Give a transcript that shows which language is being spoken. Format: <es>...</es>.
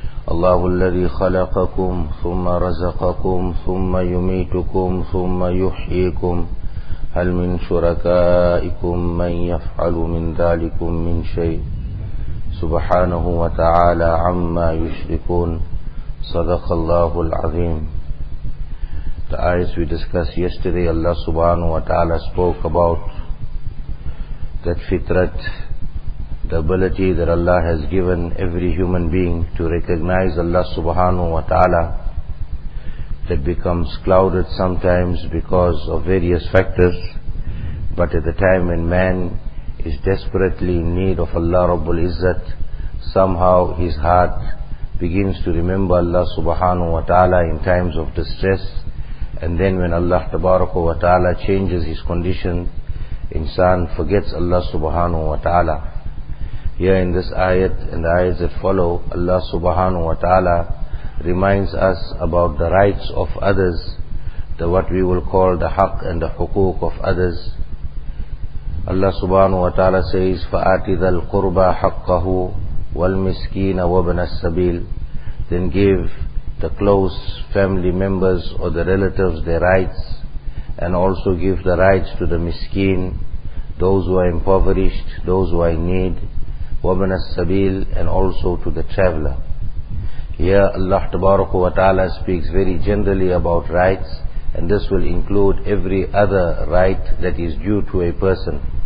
<ar>الله الذي خلقكم ثم رزقكم ثم يميتكم ثم يحييكم هل من شركائكم من يفعل من ذلكم من شيء سبحانه وتعالى عما يشركون. صدق الله العظيم.</ar> <en>As we discussed yesterday, Allah subhanahu wa ta'ala spoke about that fitrat, the ability that Allah has given every human being to recognize Allah subhanahu wa ta'ala, that becomes clouded sometimes because of various factors. But at the time when man is desperately in need of Allah Rabbul Izzat, somehow his heart begins to remember Allah subhanahu wa ta'ala in times of distress. And then when Allah tabaraka wa ta'ala changes his condition, insan forgets Allah subhanahu wa ta'ala. Here in this ayat and the ayats that follow, Allah subhanahu wa ta'ala reminds us about the rights of others, the what we will call the haqq and the huquq of others. Allah subhanahu wa ta'ala says,</en> <ar>فَآتِ ذَا الْقُرْبَى حَقَّهُ وَالْمِسْكِينَ وَابْنَ السَّبِيلِ.</ar> <en>Then give the close family members or the relatives their rights, and also give the rights to the miskeen, those who are impoverished, those who are in need,</en> <ar>وَمَنَ السَّبِيلِ,</ar> <en>and also to the traveler. Here Allah tabaraka wa ta'ala speaks very generally about rights, and this will include every other right that is due to a person.</en>